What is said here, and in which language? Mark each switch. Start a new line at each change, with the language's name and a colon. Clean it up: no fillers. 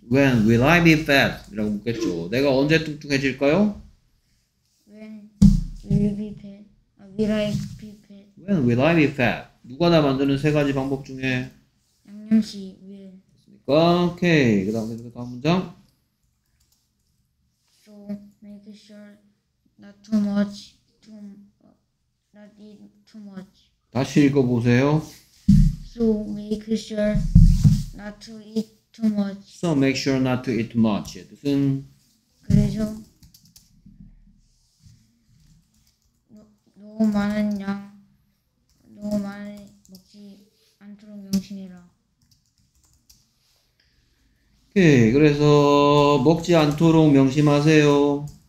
English: when will I be fat?
Korean: 이라고 묻겠죠. 내가 언제 뚱뚱해질까요?
English: when will you be fat? Will I be fat? when will I be fat?
Korean: 누가 나 만드는 세 가지 방법 중에 양념시 will 됐습니까? 오케이, 그 다음에 다음 문장
English: make sure not too much, not eat too much.
Korean: 다시 읽어보세요.
English: So make sure not to eat too much. So make sure not to eat too much.
Korean: 뜻은 그래서 너무 많은 양, 너무 많이 먹지 않도록 명심해라. 오케이, 그래서 먹지 않도록 명심하세요.